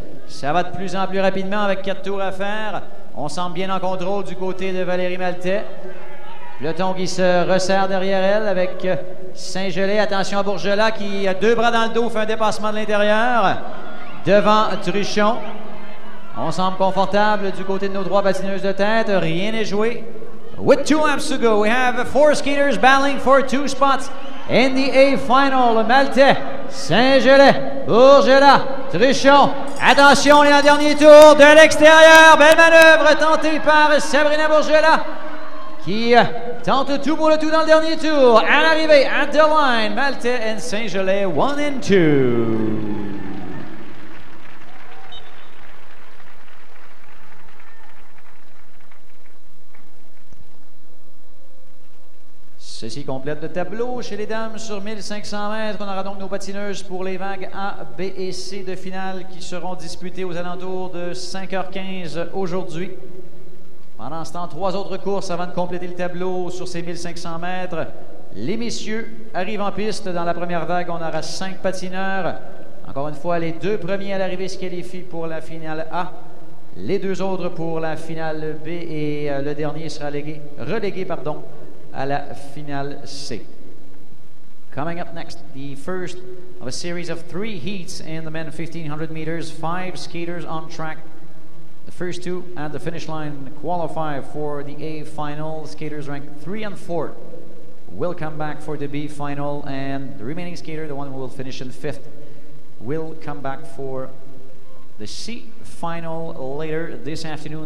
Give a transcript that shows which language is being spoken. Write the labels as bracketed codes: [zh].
[fr] Ça va de plus en plus rapidement avec quatre tours à faire. On semble bien en contrôle du côté de Valérie Maltais. Peloton qui se resserre derrière elle avec Saint-Gelais. Attention à Bourgella qui a deux bras dans le dos, fait un dépassement de l'intérieur devant Truchon. On semble confortable du côté de nos trois patineuses de tête. Rien n'est joué. [en] With two laps to go, we have four skaters battling for two spots in the A final. Maltais, Saint-Gelais, Bourgella, Truchon. [fr] Attention, on est en dernier tour de l'extérieur. Belle manœuvre tentée par Sabrina Bourgella qui tente tout pour le tout dans le dernier tour. À l'arrivée, [en] at the line, Maltais and Saint-Gelais, one and two. [fr] Ceci complète le tableau chez les dames sur 1500 mètres. On aura donc nos patineuses pour les vagues A, B et C de finale qui seront disputées aux alentours de 5h15 aujourd'hui. Pendant ce temps, trois autres courses avant de compléter le tableau sur ces 1500 mètres. Les messieurs arrivent en piste. Dans la première vague, on aura cinq patineurs. Encore une fois, les deux premiers à l'arrivée se qualifient pour la finale A. Les deux autres pour la finale B et le dernier sera relégué à la finale C. [en] Coming up next, the first of a series of three heats in the men 1500 meters. Five skaters on track. The first two at the finish line qualify for the A final. Skaters ranked 3 and 4 will come back for the B final, and the remaining skater, the one who will finish in fifth, will come back for the C final later this afternoon.